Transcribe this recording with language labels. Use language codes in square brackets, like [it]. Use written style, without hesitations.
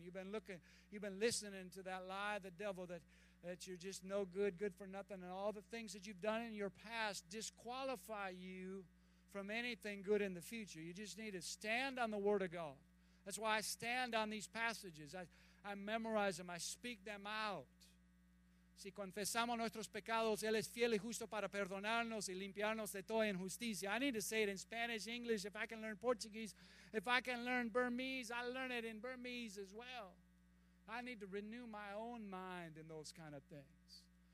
[en] You've been listening to that lie of the devil that you're just no good, good for nothing, and all the things that you've done in your past disqualify you from anything good in the future. You just need to stand on the Word of God. That's why I stand on these passages. I memorize them. I speak them out. [es] Si confesamos nuestros pecados, Él es fiel y justo para perdonarnos y limpiarnos de toda injusticia. [en] I need to say it in Spanish, English. If I can learn Portuguese, if I can learn Burmese, I learn it in Burmese as well. I need to renew my own mind in those kind of things.